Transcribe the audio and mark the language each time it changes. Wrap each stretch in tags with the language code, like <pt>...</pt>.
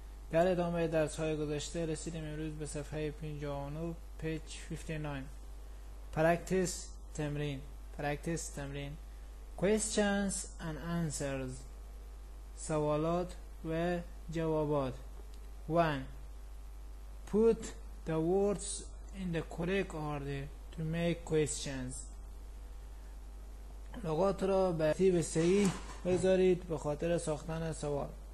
<fa>در ادامه درس های گذشته رسیدیم امروز به صفحه 59 پیچ 59 پرکتیس تمرین</fa> <en>questions and answers</en> <fa>سوالات و جوابات. 1.</fa> <en>Put the words in the correct order to make questions.</en> <fa>لغات را به ترتیب صحیح بذارید به خاطر ساختن سوال.</fa>